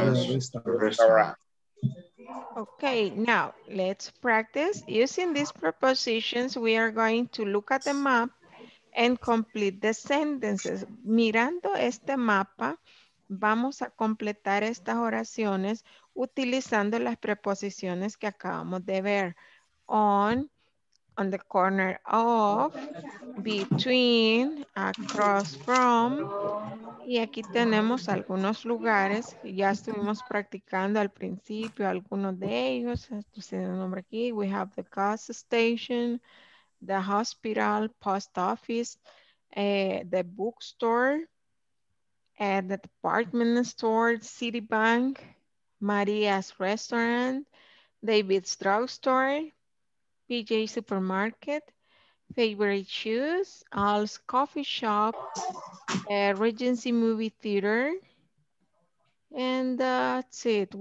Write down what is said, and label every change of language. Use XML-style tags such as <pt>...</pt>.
<en>It's between the department store and the restaurant. Okay, now let's practice. Using these prepositions, we are going to look at the map and complete the sentences.</en> <es>Mirando este mapa, vamos a completar estas oraciones utilizando las preposiciones que acabamos de ver.</es> <en>On the corner of, between, across from.</en> <es>Y aquí tenemos algunos lugares. Ya estuvimos practicando al principio algunos de ellos. Estoy haciendo el nombre aquí.</es> <en>We have the gas station, the hospital, post office, the bookstore, the department store, Citibank, Maria's restaurant, David's drugstore, PJ supermarket, favorite shoes, Al's coffee shop, Regency movie theater, and that's it.</en>